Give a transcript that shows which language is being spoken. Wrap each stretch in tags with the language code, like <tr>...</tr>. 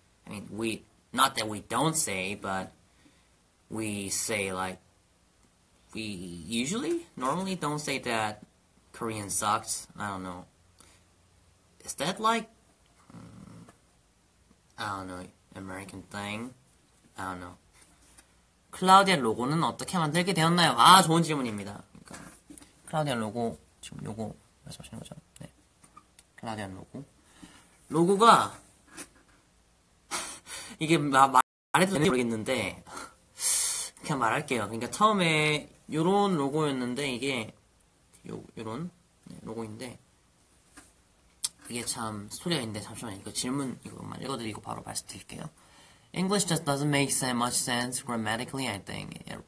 <en>I mean, we not that we don't say, but we say like we usually normally don't say that Korean sucks. I don't know. Is that like, I don't know, American thing? I don't know.</en> <ko>클라우디아 로고는 어떻게 만들게 되었나요? 아, 좋은 질문입니다. 클라우디아 로고, 지금 요거 말씀하시는 거죠? 네. 클라우디아 로고. 로고가, 이게 말해도 되는지 모르겠는데, 그냥 말할게요. 그러니까 처음에 요런 로고였는데, 이게, 요런 로고인데, 이게 참 스토리가 있는데, 잠시만요. 이거 질문, 이거만 읽어드리고 바로 말씀드릴게요.</ko> <en>English just doesn't make so much sense grammatically, I think.</en>